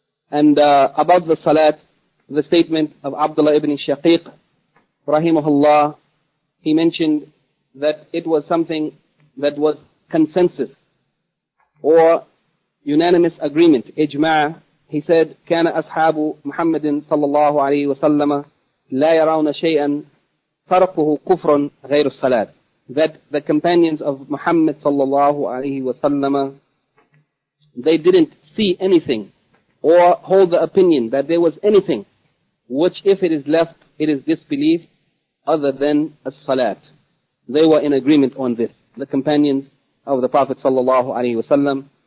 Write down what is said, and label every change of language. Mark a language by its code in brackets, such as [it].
[en] And about the salat, the statement of Abdullah ibn Shaqiq, rahimahullah, he mentioned that it was something that was consensus or unanimous agreement, ijma'. He said, [ar] كان أصحاب محمد صلى الله عليه وسلم لا يرون شيئا تركه كفر غير الصلاة. [en] That the companions of Muhammad صلى الله عليه وسلم, they didn't see anything or hold the opinion that there was anything which if it is left, it is disbelief other than a salat. They were in agreement on this, the companions of the Prophet sallallahu alayhi wasallam.